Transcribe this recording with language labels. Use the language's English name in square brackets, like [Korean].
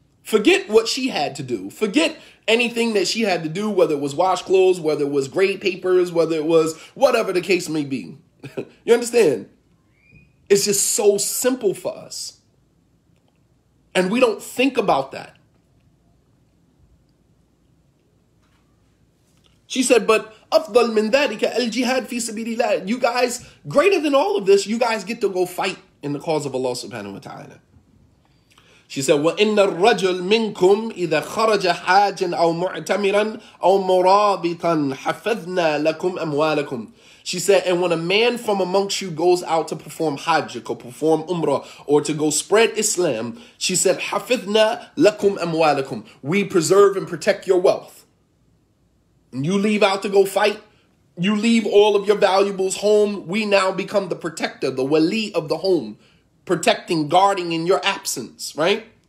[English] Forget what she had to do. Forget anything that she had to do, whether it was wash clothes, whether it was grade papers, whether it was whatever the case may be. You understand? It's just so simple for us. And we don't think about that. [Arabic] She said, but أفضل من ذلك الجهاد في سبيل الله. [English] You guys, greater than all of this, you guys get to go fight in the cause of Allah subhanahu wa ta'ala. [Arabic] She said, وَإِنَّ الرَّجُلْ مِنْكُمْ إِذَا خَرَجَ حَاجٍ أَوْ مُعْتَمِرًا أَوْ مُرَابِطًا حَفَذْنَا لَكُمْ أَمْوَالَكُمْ. [English] She said, and when a man from amongst you goes out to perform hajj or perform umrah or to go spread Islam, she said, [Arabic] حَفِذْنَا لَكُمْ أَمْوَالَكُمْ. [English] We preserve and protect your wealth. And you leave out to go fight, you leave all of your valuables home, we now become the protector, the wali of the home, protecting, guarding in your absence, right?